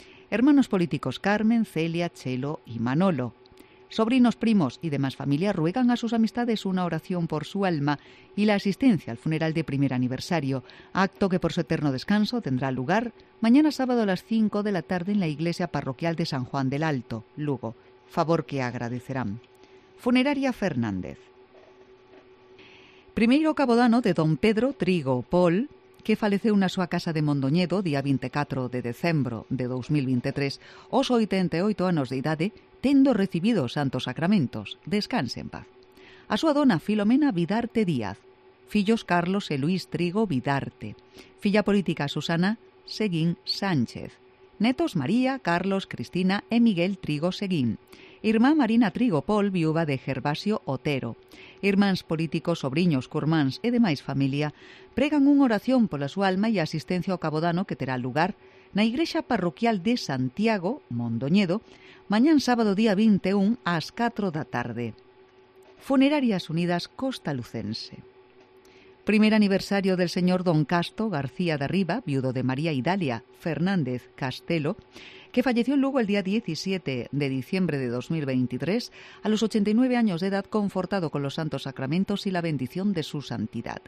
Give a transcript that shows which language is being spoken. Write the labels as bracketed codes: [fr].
[es] hermanos políticos Carmen, Celia, Chelo y Manolo, sobrinos, primos y demás familia ruegan a sus amistades una oración por su alma y la asistencia al funeral de primer aniversario, acto que por su eterno descanso tendrá lugar mañana sábado a las 5 de la tarde en la iglesia parroquial de San Juan del Alto, Lugo, favor que agradecerán. Funeraria Fernández. [gl] Primeiro cabodano de don Pedro Trigo Pol, que faleceu na súa casa de Mondoñedo día 24 de decembro de 2023, aos 88 anos de idade, tendo recibido os santos sacramentos, descanse en paz. A súa dona Filomena Vidarte Díaz, fillos Carlos e Luis Trigo Vidarte, filla política Susana Seguín Sánchez, netos María, Carlos, Cristina e Miguel Trigo Seguín, irmá Marina Trigo Pol, viúva de Gervasio Otero, irmáns políticos, sobrinhos, curmáns e demais familia, pregan unha oración pola súa alma e asistencia ao cabodano que terá lugar na igrexa parroquial de Santiago, Mondoñedo, mañán sábado día 21 ás 4 da tarde. Funerarias Unidas Costa Lucense. [es] Primer aniversario del señor don Casto García de Arriba, viudo de María Idalia Fernández Castelo, que falleció en Lugo el día 17 de diciembre de 2023, a los 89 años de edad, confortado con los santos sacramentos y la bendición de su santidad.